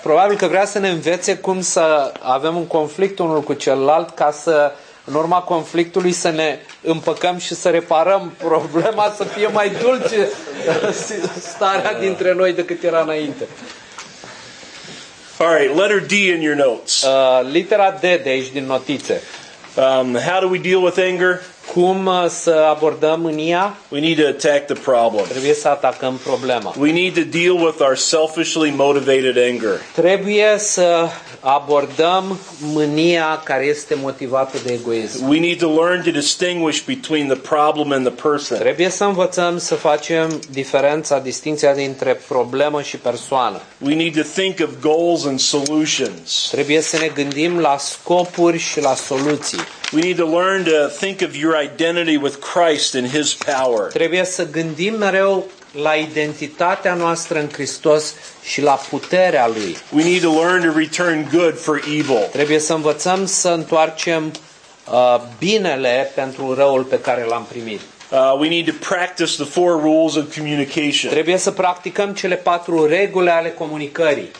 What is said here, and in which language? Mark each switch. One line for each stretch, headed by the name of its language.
Romanian: Probabil că vrea să ne învețe cum să avem un conflict unul cu celălalt ca să, în urma conflictului, să ne împăcăm și să reparăm problema, să fie mai dulce starea dintre noi decât era înainte.
English: All right, letter D in your notes.
Romanian: Litera D de aici din notițe.
English: How do we deal with anger?
Romanian: Cum să abordăm mânia?
English: We need to attack the problem.
Romanian: Trebuie să atacăm problema.
English: We need to deal with our selfishly motivated anger.
Romanian: Trebuie să abordăm mânia care este motivată de egoism.
English: We need to learn to distinguish between the problem and the person.
Romanian: Trebuie să învățăm să facem diferența, distinția dintre problemă și persoană.
English: We need to think of goals and solutions.
Romanian: Trebuie să ne gândim la scopuri și la soluții.
English: We need to learn to think of your identity with Christ and His power.
Romanian: Trebuie să gândim mereu la identitatea noastră în Hristos și la puterea Lui.
English: We need to learn to return good for evil.
Romanian: Trebuie să învățăm să întoarcem binele pentru răul pe care l-am primit.
English: We need to practice the four rules of communication.
Romanian: Trebuie să practicăm cele patru reguli ale comunicării.